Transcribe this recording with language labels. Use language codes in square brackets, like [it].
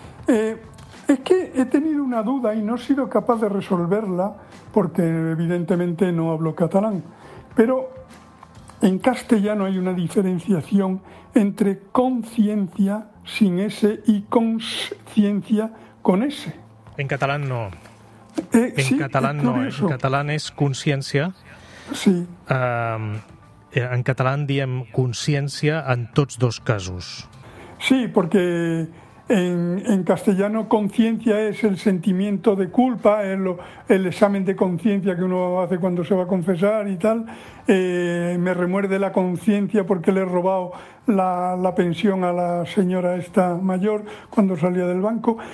[es] Es que he tenido una duda y no he sido capaz de resolverla porque evidentemente no hablo catalán. Pero en castellano hay una diferenciación entre conciencia sin S y consciencia con S. En catalán no. En catalán es consciència. Sí. [ca] En catalán diem consciència en tots dos casos. [es] Sí, porque En castellano, conciencia es el sentimiento de culpa, es el examen de conciencia que uno hace cuando se va a confesar y tal. Me remuerde la conciencia porque le he robado la pensión a la señora esta mayor cuando salía del banco.